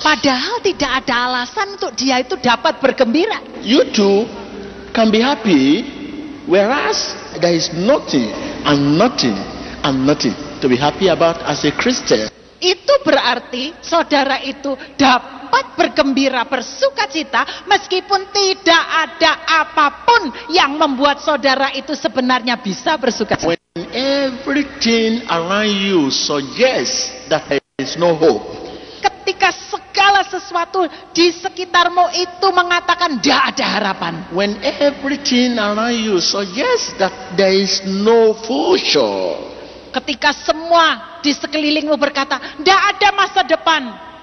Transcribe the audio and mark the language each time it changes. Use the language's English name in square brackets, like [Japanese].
[Indonesian] Padahal tidak ada alasan untuk dia itu dapat bergembira. [English] You too can be happy, whereas there is nothing and nothing and nothing to be happy about as a Christian. [Indonesian] Itu berarti saudara itu dapat bergembira, bersuka cita, meskipun tidak ada apapun yang membuat saudara itu sebenarnya bisa bersuka cita. [English] When everything around you suggests that there is no hope. [Indonesian] Ketika segala sesuatu di sekitarmu itu mengatakan tidak ada harapan. [English] When everything around you suggests that there is no future. [Indonesian] Ketika semua di sekelilingmu berkata, tidak ada masa depan.